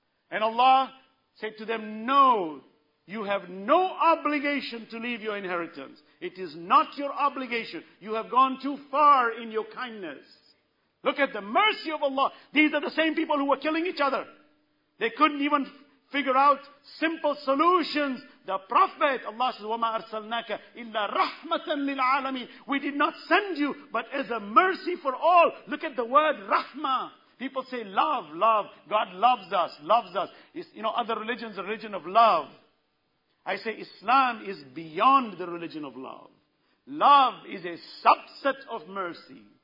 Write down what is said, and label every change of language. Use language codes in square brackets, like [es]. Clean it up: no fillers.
[en] And Allah said to them, no, you have no obligation to leave your inheritance. It is not your obligation. You have gone too far in your kindness. Look at the mercy of Allah. These are the same people who were killing each other. They couldn't even figure out simple solutions. The Prophet, Allah says, [ar] وَمَا أَرْسَلْنَاكَ إِلَّا رَحْمَةً لِلْعَالَمِينَ. [en] We did not send you, but as a mercy for all. Look at the word rahmah. People say love, love. God loves us, loves us. It's, you know, other religions, a religion of love. I say Islam is beyond the religion of love. Love is a subset of mercy.